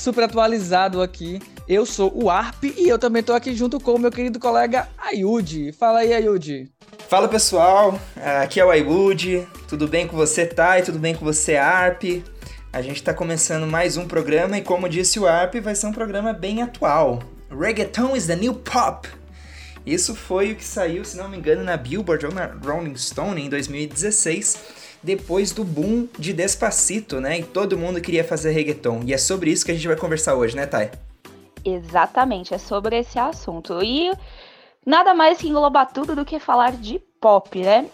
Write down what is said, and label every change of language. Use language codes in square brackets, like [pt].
[pt] Super atualizado aqui. Eu sou o Arp e eu também tô aqui junto com o meu querido colega Ayud. Fala aí, Ayud. Fala pessoal, aqui é o Ayud. Tudo bem com você, Thay? Tudo bem com você, Arp? A gente está começando mais um programa e, como disse o Arp, vai ser um programa bem atual. [en] Reggaeton is the new pop. [pt] Isso foi o que saiu, se não me engano, na Billboard ou na Rolling Stone em 2016, depois do boom de Despacito, né? E todo mundo queria fazer reggaeton. E é sobre isso que a gente vai conversar hoje, né, Thay? Exatamente, é sobre esse assunto. E nada mais que englobar tudo do que falar de pop, né?